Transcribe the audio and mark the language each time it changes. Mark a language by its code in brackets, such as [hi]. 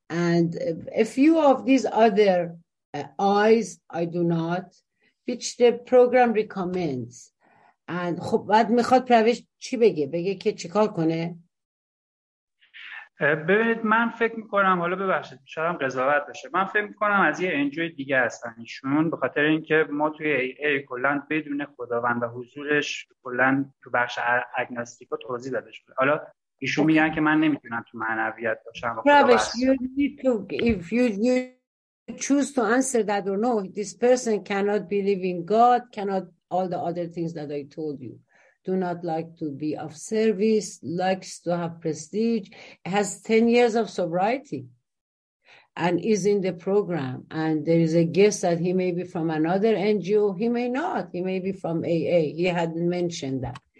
[en] And a few of these other eyes, I do not, which the program recommends. [fa] And خب بعد میخواد پرویش چی بگه؟ بگه که چیکار کنه؟ ببینید من فکر میکنم، حالا ببخشید شاید هم قضاوت بشه، من فکر میکنم از یه انجوی دیگه هستن ایشون، به خاطر اینکه ما توی ای کلن بدون خداوند و حضورش کلن تو بخش اگناستیکا توضیح داده شده. حالا ایشون میگن که من نمیتونم تو معنویت باشم. [en] پرویش choose to answer that or no, this person cannot believe in God, cannot all the other things that I told you, do not like to be of service, likes to have prestige, has 10 years of sobriety and is in the program, and there is a guess that he may be from another NGO, he may not, he may be from AA, he hadn't mentioned that.